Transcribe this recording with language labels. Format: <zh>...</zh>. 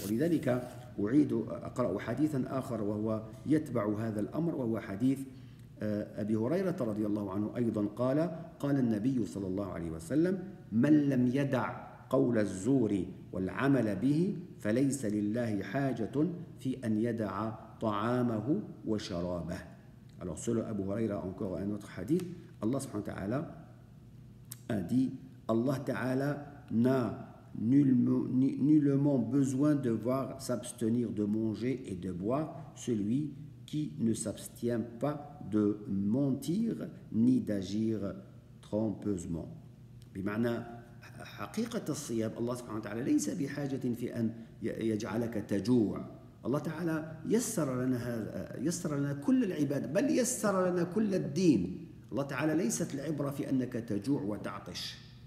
<ar>ولذلك أعيد أقرأ حديثا آخر وهو يتبع هذا الأمر وهو حديث أبي هريرة رضي الله عنه أيضا قال قال النبي صلى الله عليه وسلم من لم يدع قول الزور والعمل به فليس لله حاجة في أن يدع طعامه وشرابه.</ar> <fr>Alors selon Abu Huraira encore un autre hadith, Allah subhanahu wa ta'ala a dit Allah ta'ala n'a nullement besoin de voir s'abstenir de manger et de boire celui qui ne s'abstient pas de mentir ni d'agir trompeusement.</fr> <ar>بمعنى حقيقة الصيام الله سبحانه وتعالى ليس بحاجة في أن يجعلك تجوع. الله تعالى يسر لنا كل العباد، بل يسر لنا كل الدين. الله تعالى ليست العبرة في أنك تجوع وتعطش.</ar>